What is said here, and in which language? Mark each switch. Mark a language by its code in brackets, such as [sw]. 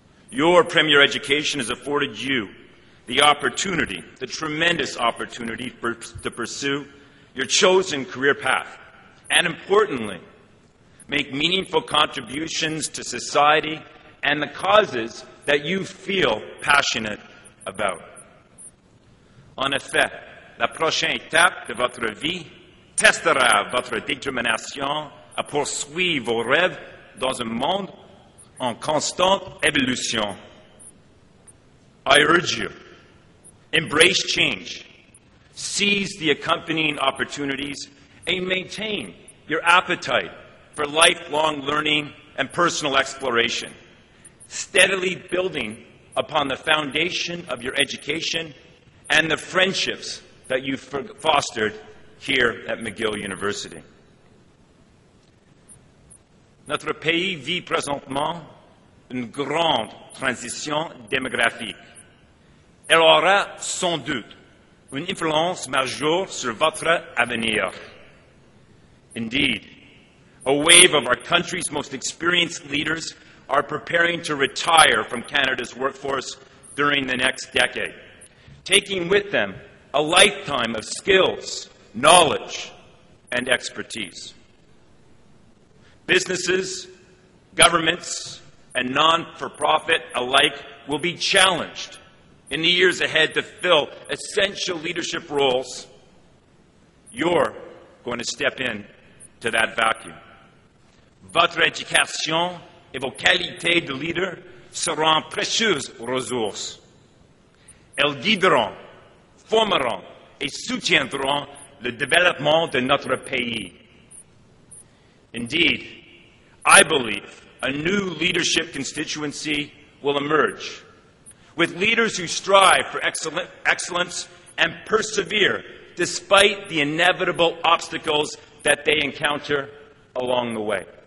[en] Your premier education has afforded you the opportunity, the tremendous opportunity to pursue your chosen career path, and importantly, make meaningful contributions to society and the causes that you feel passionate about. [fr] En effet, la prochaine étape de votre vie testera votre détermination à poursuivre vos rêves dans un monde en constante évolution. [en] I urge you, embrace change, seize the accompanying opportunities, and maintain your appetite for lifelong learning and personal exploration, steadily building upon the foundation of your education and the friendships that you've fostered here at McGill University. [fr] Notre pays vit présentement une grande transition démographique. Elle aura sans doute une influence majeure sur votre avenir. [en] Indeed, a wave of our country's most experienced leaders are preparing to retire from Canada's workforce during the next decade, taking with them a lifetime of skills, knowledge, and expertise. Businesses, governments, and non-for-profit alike will be challenged in the years ahead to fill essential leadership roles. You're going to step in to that vacuum. [fr] Votre éducation et vos qualités de leader seront précieuses ressources. Elles guideront, formeront et soutiendront le développement de notre pays. [en] Indeed, I believe a new leadership constituency will emerge, with leaders who strive for excellence and persevere despite the inevitable obstacles that they encounter along the way.